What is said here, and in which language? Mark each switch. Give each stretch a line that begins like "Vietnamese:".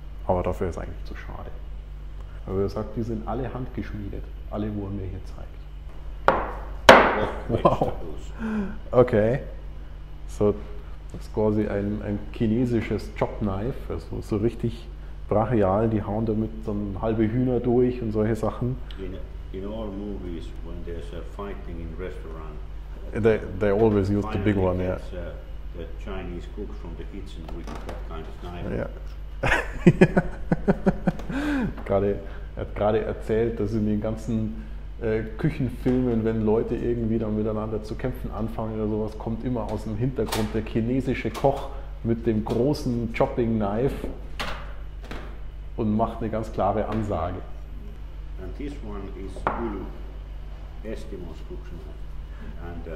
German: Aber dafür ist eigentlich zu schade. Aber er sagt, die sind alle handgeschmiedet. Alle wurden mir hier zeigt. Wow. Okay. So, das ist quasi ein chinesisches Chopknife, also so richtig brachial, die hauen damit so ein halbe Hühner durch und solche Sachen.
English: In all movies, when there's a fighting in restaurant, they always use the big one, yeah. The Chinese cook from the kitchen with that kind of knife. Yeah.
German: Er hat gerade erzählt, dass in den ganzen Küchenfilmen, wenn Leute irgendwie dann miteinander zu kämpfen anfangen oder sowas, kommt immer aus dem Hintergrund der chinesische Koch mit dem großen Chopping Knife und macht eine ganz klare Ansage.
English: And this one is Ulu, Eskimo's cooking knife.